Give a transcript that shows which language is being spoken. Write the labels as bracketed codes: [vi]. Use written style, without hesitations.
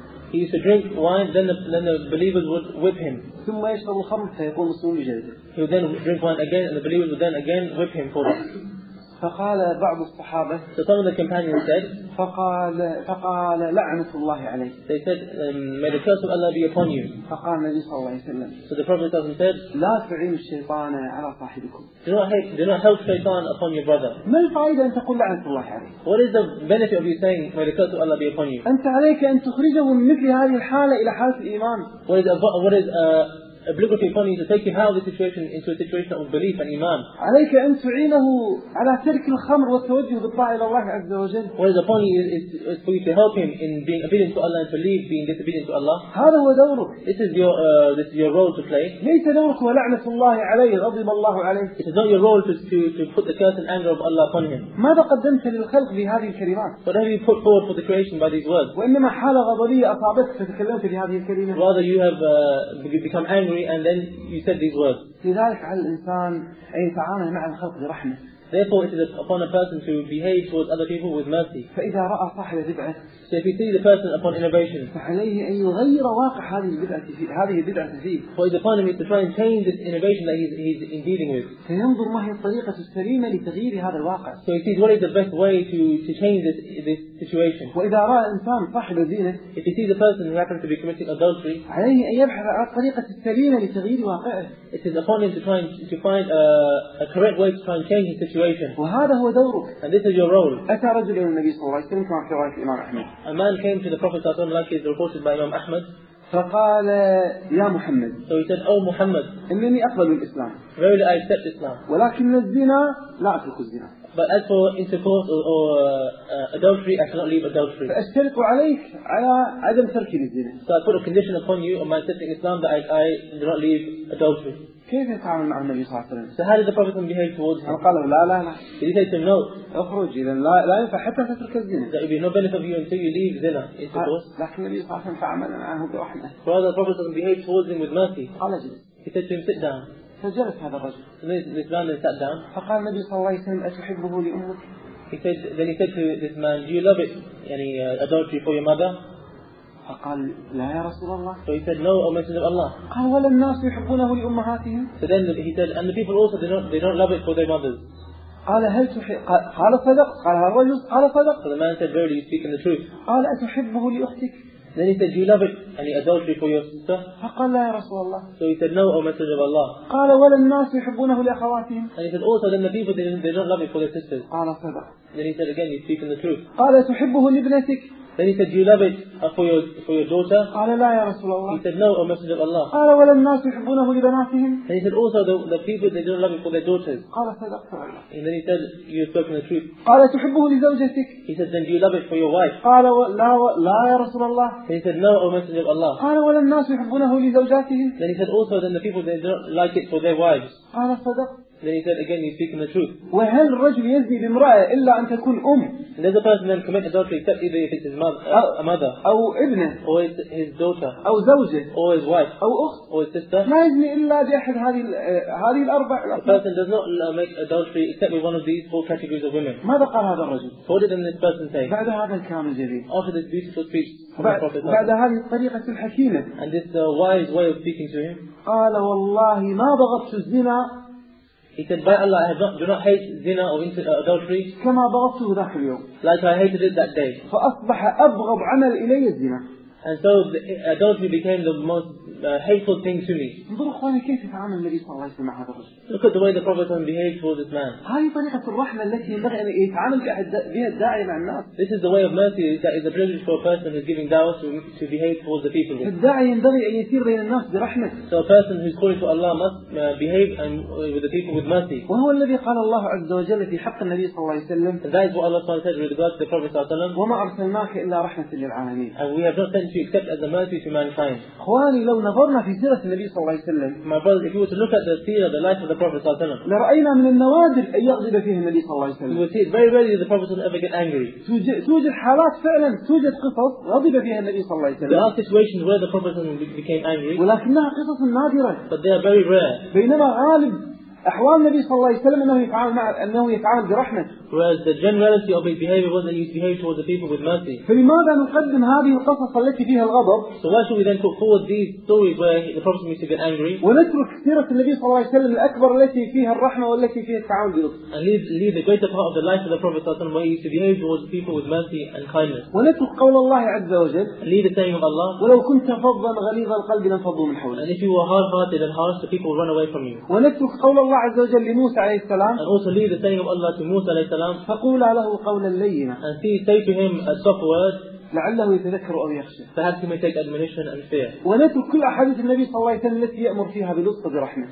[en] He used to drink wine, then the believers would whip him. He would then drink wine again, and the believers would then again whip him for that. [ar] فقال بعض الصحابة. [en] So some of the companions said. [ar] فقال لعنة الله عليك. [en] They said, may the curse of Allah be upon you. [ar] فقال النبي صلى الله عليه وسلم. [en] So the Prophet said. [ar] لا تعين الشيطان على صاحبكم. [en] Do not help Shaitan upon your brother. [ar] ما الفائدة أن تقول لعنة الله عليك؟ [en] What is the benefit of you saying may the curse of Allah be upon you? [ar] أنت عليك أن تخرجه من مثل هذه الحالة إلى حالة الإيمان. [en] Obligatory upon you to take him out of the situation into a situation of belief and iman. [ar] عليك أن تعينه على ترك الخمر والتوجه بالطاعة إلى الله عز وجل. [en] What is upon you is for you to help him in being obedient to Allah and to leave being disobedient to Allah. [ar] هذا هو دورك. [en] This is your role to play. [ar] ليس دورك هو لعنة الله عليه غضب الله عليه. [en] It is not your role to put the curse and anger of Allah upon him. [ar] ماذا قدمت للخلق بهذه الكلمات؟ [en] What have you put forward for the creation by these words? [ar] وإنما حالة غضبية أصابتك فتكلمت بهذه الكلمة. [en] Rather you have become angry and then you said these words. Therefore it is upon a person to behave towards other people with mercy. So if you see the person upon innovation, so it's upon him to try and change this innovation that he's in dealing with. So he sees what is the best way to change this situation. If he sees a person who happens to be committing adultery, it is upon him to find a correct way to try and change his situation. And this is your role. A man came to the Prophet sallallahu alaihi wasallam like is reported by Imam Ahmad. [ar] فقال يا محمد. [en] So he said, oh Muhammad. [ar] إنني أقبل الإسلام. [en] Verily I accept Islam. [ar] ولكن الزنا لا أترك الزنا. [en] But as for intercourse or adultery, I cannot leave adultery. [ar] فأشترط عليك على عدم ترك الزنا. [en] So I put a condition upon you on my accepting Islam that I do not leave adultery. [ar] كيف يتعامل مع النبي صلى الله عليه وسلم؟ [en] So how did the Prophet behave towards him? [ar] قال لا لا لا. [en] Did he say to him no? [ar] أخرج إذا لا ينفع حتى تترك الزنا. [en] There will be no benefit of you until you leave zina. [ar] لكن النبي صلى الله عليه وسلم تعامل معه برحمة. [en] Rather the Prophet behaved towards him with mercy. [ar] قال اجلس. [en] He said to him sit down. [ar] فجلس هذا الرجل. [en] So this man then sat down. [ar] فقال النبي صلى الله عليه وسلم أتحبه لأمك؟ [en] He said to this man, do you love it? [ar] يعني [en] adultery for your mother? [ar] فقال لا يا رسول الله. [en] So he said no, O Messenger of Allah. [ar] قال ولا الناس يحبونه لأمهاتهم. [en] So then he said, and the people also they don't love it for their mothers. [ar] قال هل تحب؟ قال صدق. قال الرجل قال صدق. [en] So the man said, verily you speak in the truth. [ar] قال أتحبه لأختك. [en] Then he said, do you love it? Any adultery for your sister? [ar] فقال لا يا رسول الله. [en] So he said no, O Messenger of Allah. [ar] قال ولا الناس يحبونه لأخواتهم. [en] And he said also then the people they don't love it for their sisters. [ar] قال صدق. [en] Then he said again, you speak in the truth. [ar] قال تحبه لابنتك. [en] Then he said, do you love it for your daughter? [ar] قال لا يا رسول الله. [en] He said, no, O Messenger of Allah. [ar] قال ولا الناس يحبونه لبناتهم. [en] Then he said, also the people they don't love it for their daughters. [ar] قال صدقت [en] الله. And then he said, you spoke the truth. [ar] قال تحبه لزوجتك. [en] He said, then do you love it for your wife? [ar] قال لا يا رسول الله. [en] Then he said, no, O Messenger of Allah. [ar] قال ولا الناس يحبونه لزوجاتهم. [en] Then he said, also then the people they don't like it for their wives. [ar] قال صدقت. [en] Then he said again, you speak in the truth. [ar] وهل الرجل يزني بامرأة إلا أن تكون أم؟ [en] And there's a person then commit adultery except either if it's his mother, a mother. [ar] أو ابنة. [en] Or his daughter. [ar] أو زوجة. [en] Or his wife. [ar] أو أخت. [en] Or his sister. [ar] لا يزني إلا بأحد هذه الأربع. [en] A person does not make adultery except with one of these four categories of women. [ar] ماذا قال هذا الرجل؟ [en] What did this person say? [ar] بعد هذا الكلام الجليل. [en] After this beautiful speech. [ar] بعد هذه الطريقة الحكيمة. [en] And this wise way of speaking to him. [ar] قال والله ما ضغطت الزنا. [en] He said, by Allah, I do not hate zina or adultery [ar] كما ضغطته ذاك اليوم. [en] Like I hated it that day. [ar] فأصبح أبغض عمل إلي الزنا. [en] And so adultery became the most hateful thing to me. [ar] انظروا اخواني كيف يتعامل النبي صلى الله عليه وسلم مع هذا الرجل. [en] Look at the way the Prophet behaved towards this man. [ar] هذه طريقة الرحمة التي ينبغي أن يتعامل بها الداعي مع الناس. [en] This is the way of mercy that is a privilege for a person who's giving da'wah to behave towards the people with. [ar] الداعي ينبغي أن يسير بين الناس برحمة. [en] So a person who's calling for Allah must behave with the people with mercy. [ar] وهو الذي قال الله عز وجل في حق النبي صلى الله عليه وسلم. [en] That is what Allah said with regards to the Prophet صلى الله عليه وسلم. [ar] وما أرسلناك إلا رحمة للعالمين. [en] And we have not sent you except as a mercy to mankind. [ar] اخواني لو نظرنا في سيرة النبي صلى الله عليه وسلم. [en] My brother, if you were to look at the seerah, the life of the Prophet صلى الله عليه وسلم. [ar] لرأينا من النوادر أن يغضب فيه النبي صلى الله عليه وسلم. [en] You would see it very rarely that the Prophet would ever get angry. [ar] توجد حالات فعلا توجد قصص غضب فيها النبي صلى الله عليه وسلم. [en] There are situations where the Prophet became angry. [ar] ولكنها قصص نادرة. [en] But they are very rare. [ar] بينما غالب أحوال النبي صلى الله عليه وسلم أنه يتعامل مع أنه يتعامل برحمة. [en] Whereas the generality of his behavior was that he behaved towards the people with mercy. [ar] فلماذا نقدم هذه القصص التي فيها الغضب؟ [en] So why should we then put forward these stories where the Prophet used to get angry? [ar] ونترك سيرة النبي صلى الله عليه وسلم الأكبر التي فيها الرحمة والتي فيها التعامل بلطف. [en] And leave the greater part of the life of the Prophet صلى الله عليه وسلم where he used to behave towards the people with mercy and kindness. [ar] ونترك قول الله عز وجل. [en] And leave the saying of Allah. [ar] ولو كنت فظا غليظ القلب لانفضوا من حولك. [en] And if you were hard-hearted and harsh, the people would run away from you. [ar] ونترك قول الله عز وجل لموسى عليه السلام. [en] And also leave the saying of Allah to Musa عليه السلام. [ar] فقولا له قولا لينا. [en] And say to him a soft word. [ar] لعله يتذكر أو يخشى. [en] Perhaps he may take admonition and fear. [ar] ونترك كل أحاديث النبي صلى الله عليه وسلم التي يأمر فيها بلطف ورحمة.